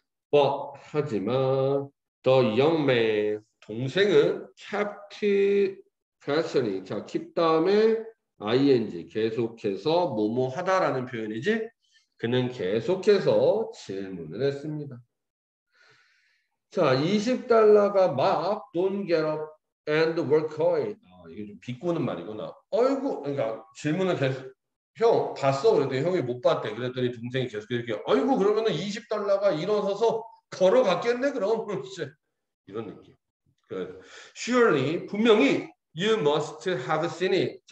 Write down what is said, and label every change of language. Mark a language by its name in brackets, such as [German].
[English] But, [Korean] 하지만, [English] the young man, [Korean] 동생은 [English] kept questioning. [Korean] 자, keep 다음에 ing. 계속해서 뭐뭐 하다라는 표현이지? 그는 계속해서 질문을 했습니다. 자, 20달러가 막 [English] don't get up and work away. [Korean] 이게 좀 비꼬는 말이구나. 아이고, 그러니까 질문을 계속, 형, 봤어? 그랬더니 형이 못 봤대. 그랬더니 동생이 계속 이렇게, 아이고, 그러면 20달러가 일어서서 걸어갔겠네, 그럼. 이런 느낌. 그래서, [English] surely, [Korean] 분명히, [English] you must have seen it.